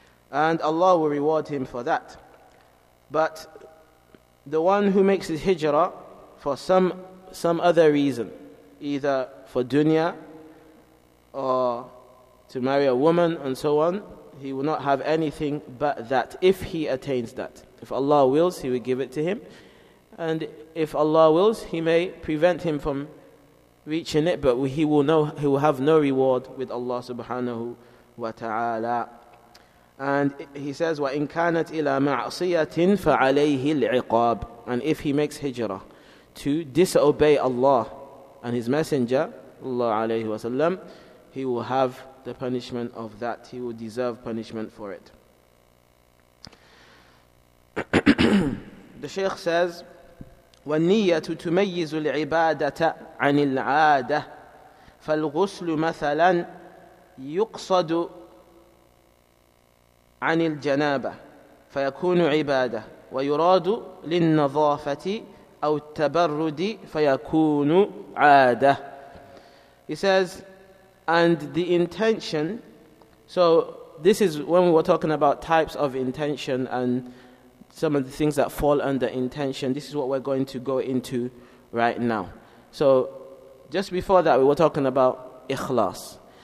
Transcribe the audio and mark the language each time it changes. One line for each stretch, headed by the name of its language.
English: And Allah will reward him for that. But the one who makes his hijrah for some other reason, either for dunya or to marry a woman and so on, he will not have anything but that if he attains that. If Allah wills, he will give it to him. And if Allah wills, he may prevent him from reaching it, but he will have no reward with Allah subhanahu wa ta'ala. And he says,
Arabic: وَإِنْ كَانَتْ إِلَىٰ مَعْصِيَةٍ فَعَلَيْهِ الْعِقَابِ.
English: And if he makes hijrah to disobey Allah and his messenger, Allah alayhi wa sallam, he will have the punishment of that. He will deserve punishment for it. The Shaykh says,
Arabic: وَالنِّيَّةُ تُمَيِّزُ الْعِبَادَةَ عَنِ الْعَادَةِ فَالْغُسْلُ مَثَلًا يُقْصَدُ عن الجنابة فيكون عبادة ويراد للنظافة أو التبرد فيكون عادة.
English: He says, and the intention, so this is when we were talking about types of intention and some of the things that fall under intention, this is what we're going to go into right now. So just before that we were talking about ikhlas.